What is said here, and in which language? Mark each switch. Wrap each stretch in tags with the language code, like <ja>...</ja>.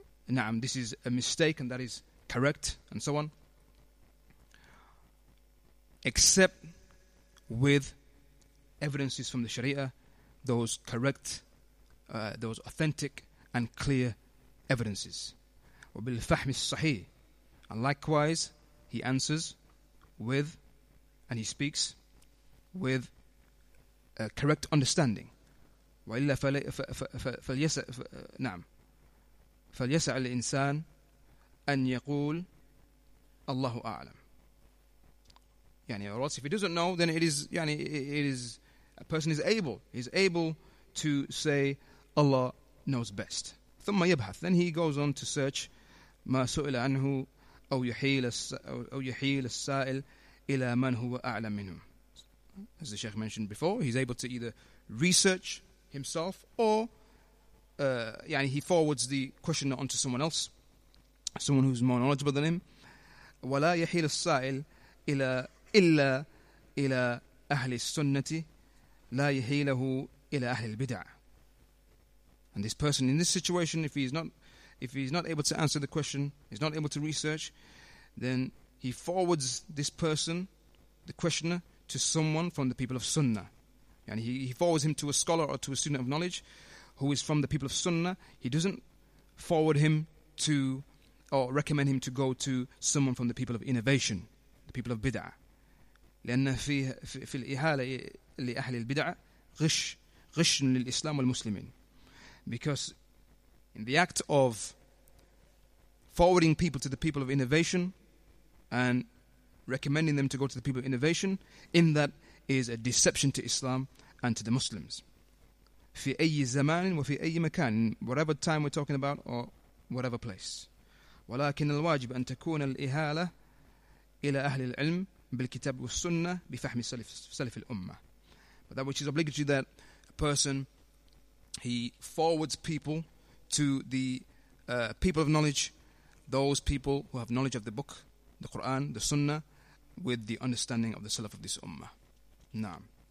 <en>نعم, this is a mistake and that is correct, and so on, except with evidences from the Sharia, those correct, those authentic and clear evidences. وبالفحم الصحيح, and likewise he answers with, and he speaks with a correct understanding.</en> <ar>وإلا فليسع نعم فليسع الإنسان أن يقول الله أعلم.</ar> <en>يعني, or else if he doesn't know, then it is يعني, it is, a person is able, he's able to say Allah knows best.</en> <ar>ثم يبحث,</ar> <en>then he goes on to search</en> <ar>ما سئل عنه أو يحيل السائل إلى من هو أعلم منه.</ar> <en>As the Sheikh mentioned before, he's able to either research himself, or يعني he forwards the question onto someone else, someone who's more knowledgeable than him.</en> <ar>ولا يحيل السائل إلا إلى أهل السنة لا يحيله إلى أهل البدع.</ar> <en>And this person in this situation, if he's not able to answer the question, he's not able to research, then he forwards this person, the questioner, to someone from the people of Sunnah. And he forwards him to a scholar or to a student of knowledge who is from the people of Sunnah. He doesn't forward him to or recommend him to go to someone from the people of innovation, the people of bid'ah.</en> <ar>لأن في الإهالة لأهل البدع غش للإسلام والمسلمين.</ar> <en>Because in the act of forwarding people to the people of innovation and recommending them to go to the people of innovation, in that is a deception to Islam and to the Muslims.</en> <ar>في أي زمان وفي أي مكان,</ar> <en>whatever time we're talking about or whatever place.</en> <ar>ولكن الواجب أن تكون الإهالة إلى أهل العلم بالكتاب والسنة بفهم سلف الأمة.</ar> <en>But that which is obligatory, that a person, he forwards people to the people of knowledge, those people who have knowledge of the book, the Quran, the Sunnah, with the understanding of the Salaf of this Ummah. Naam.</en>